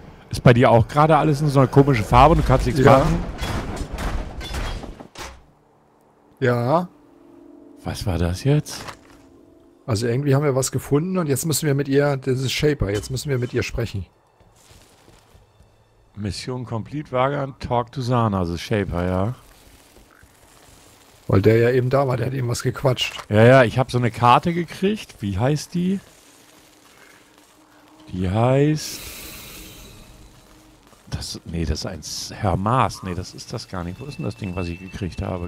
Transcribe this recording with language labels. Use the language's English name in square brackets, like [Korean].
[German] Ist bei dir auch gerade alles in so einer komischen Farbe und du kannst nichts machen? Ja. Was war das jetzt? Also irgendwie haben wir was gefunden und jetzt müssen wir mit ihr, das ist Shaper, jetzt müssen wir mit ihr sprechen. [English] Mission complete, Wagan, talk to Sana, the Shaper, ja. [German] Weil der ja eben da war, der hat eben was gequatscht. Ja, ich habe so eine Karte gekriegt. Wie heißt die? Die heißt... Das, nee, das ist ein Herr Maas. Nee, das ist das gar nicht. Wo ist denn das Ding, was ich gekriegt habe?